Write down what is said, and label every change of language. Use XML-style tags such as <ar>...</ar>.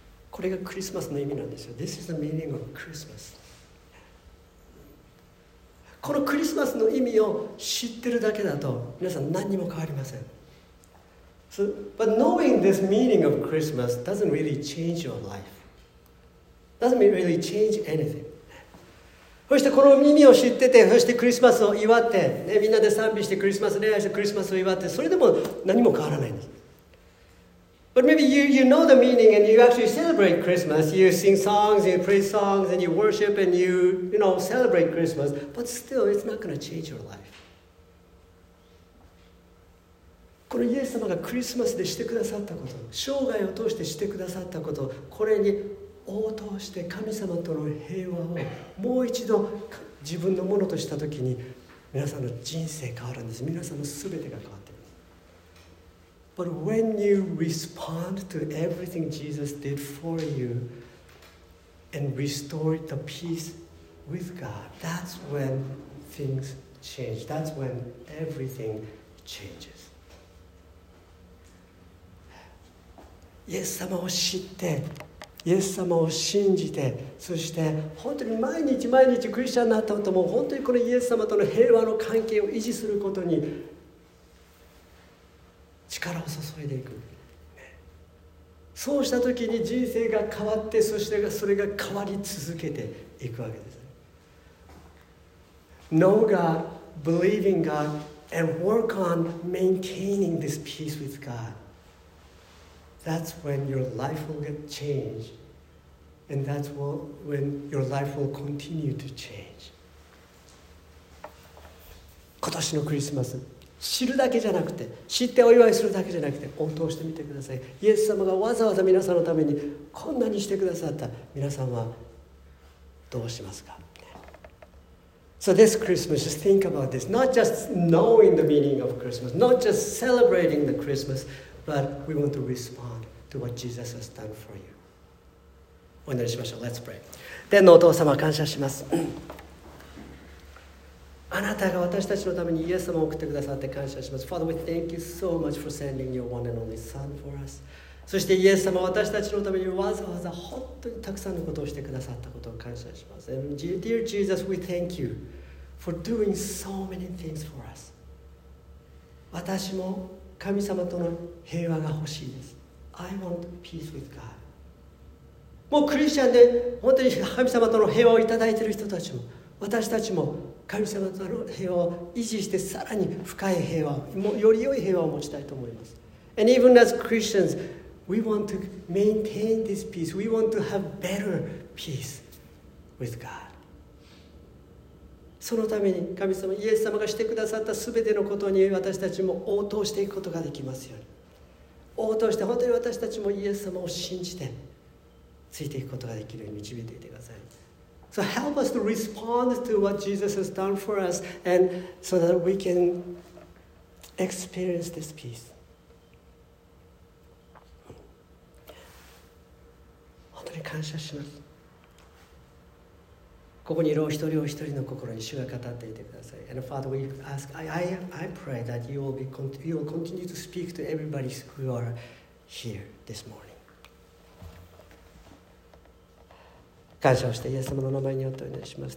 <ja>これがクリスマスの意味なんですよ。</ja> <en>This is the meaning of Christmas.</en> <ja>このクリスマスの意味を知ってるだけだと、皆さん何にも変わりません。</ja> <en>So, but knowing this meaning of Christmas doesn't really change your life. Doesn't really change anything.</en> <ja>そしてこの意味を知ってて、そしてクリスマスを祝って、ね、みんなで賛美してクリスマス、恋愛してクリスマスを祝って、それでも何も変わらないんです。</ja> <en>But maybe you know the meaning and you actually celebrate Christmas. You sing songs, you pray songs, and you worship and you know, celebrate Christmas. But still, it's not going to change your life.</en> <ja>このイエス様がクリスマスでしてくださったこと、生涯を通してしてくださったこと、これに応答して神様との平和をもう一度自分のものとしたときに、皆さんの人生変わるんです。皆さんの全てが変わっています。</ja> <en>But when you respond to everything Jesus did for you and restore the peace with God, that's when things change. That's when everything changes.</en> <ja>イエス様を知って、イエス様を信じて、そして本当に毎日毎日クリスチャンになった後も、本当にこのイエス様との平和の関係を維持することに力を注いでいく。そうした時に人生が変わって、そしてそれが変わり続けていくわけです。</ja> <en>Know God, believe in God, and work on maintaining this peace with God. That's when your life will get changed. And that's when your life will continue to change.</en> <ja>今年のクリスマス、知るだけじゃなくて、知ってお祝いするだけじゃなくて、応答してみてください。イエス様がわざわざ皆さんのためにこんなにしてくださった、皆さんはどうしますか?</ja> <en>So this Christmas, just think about this. Not just knowing the meaning of Christmas, not just celebrating the Christmas,But we want to respond to what Jesus has done for you.</en> <ja>お祈りしましょう。</ja> <en>Let's pray.</en> <ja>天のお父様、感謝します。あなたが私たちのためにイエス様を送ってくださって感謝します。</ja> <en>Father, we thank you so much for sending your one and only Son for us.</en> <ja>そしてイエス様、私たちのためにわざわざ本当にたくさんのことをしてくださったことを感謝します。</ja> <en>And dear Jesus, we thank you for doing so many things for us.</en> <ja>私も神様との平和が欲しいです。</ja> <en>I want peace with God.</en> <ja>もうクリスチャンで本当に神様との平和をいただいている人たちも、私たちも神様との平和を維持してさらに深い平和、もうより良い平和を持ちたいと思います。</ja> <en>And even as Christians, we want to maintain this peace. We want to have better peace with God.</en> <ja>そのために神様、イエス様がしてくださったすべてのことに私たちも応答していくことができますように。応答して本当に私たちもイエス様を信じてついていくことができるように導いていてください。</ja> <en>So help us to respond to what Jesus has done for us and so that we can experience this peace.</en> <ja>本当に感謝します。ここにいるお一人お一人の心に主が語っていてください。</ja> <en>And Father, we ask, I pray that you will continue to speak to everybody who are here this morning.</en> <ja>感謝をしてイエス様の名前によってお願いします。</ja>